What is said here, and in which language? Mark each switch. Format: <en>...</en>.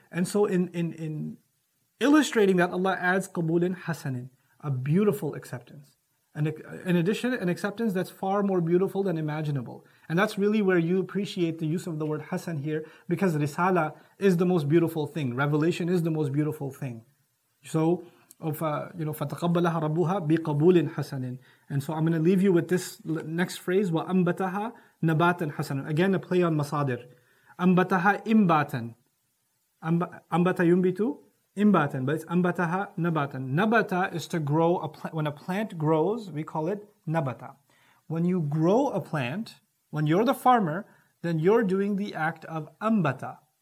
<en>And so in illustrating that, Allah adds qabulin hasanin, a beautiful acceptance. And in addition, an acceptance that's far more beautiful than imaginable. And that's really where you appreciate the use of the word hasan here, because risala is the most beautiful thing. Revelation is the most beautiful thing.</en> <ar>So, you know, فَتَقَبَّلَهَا رَبُّهَا بِقَبُولٍ حَسَنٍ.</ar> <en>And so I'm going to leave you with this next phrase, وَأَنْبَتَهَا نَبَاتًا حَسَنًا. Again, a play on masadir. أَنْبَتَهَا إِمْبَاتًا.</en> <ar>أَنْبَتَ يُنْبِتُ إِمْبَاتًا.</ar> <en>But it's أَنْبَتَهَا نَبَاتًا. Nabata is to grow a plant. When a plant grows, we call it nabata. When you grow a plant, when you're the farmer, then you're doing the act of أَنْبَتَ.</en>